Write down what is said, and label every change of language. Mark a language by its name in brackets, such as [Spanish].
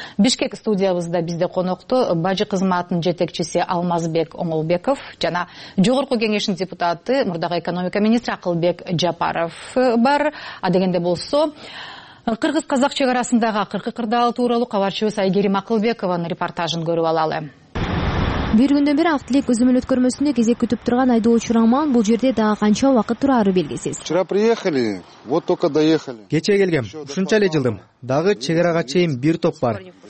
[Kyrgyz] Бишкек студиябызда бизде конокто бажы кызматынын жетекчиси Алмазбек Оңолбеков жана Жогорку кеңештин депутаты мурдагы экономика министри Акылбек Жапаров бар. Адегенде болсо кыргыз-казак чек арасындагы акыркы кырдаал тууралуу кабарчыбыз Айгерим Акылбекованын репортажын көрүп алалы. Бир күндөн бери ак тилек үзмөл өткөрмөсүндө кезек күтүп турган айдоочу Роман бул жерде дагы канча убакыт турары белгисиз. [Russian] Вчера приехали, вот только доехали. [Kyrgyz] Кече келгем, ушунча эле жылдым. Дагы чек арага чейин бир топ бар.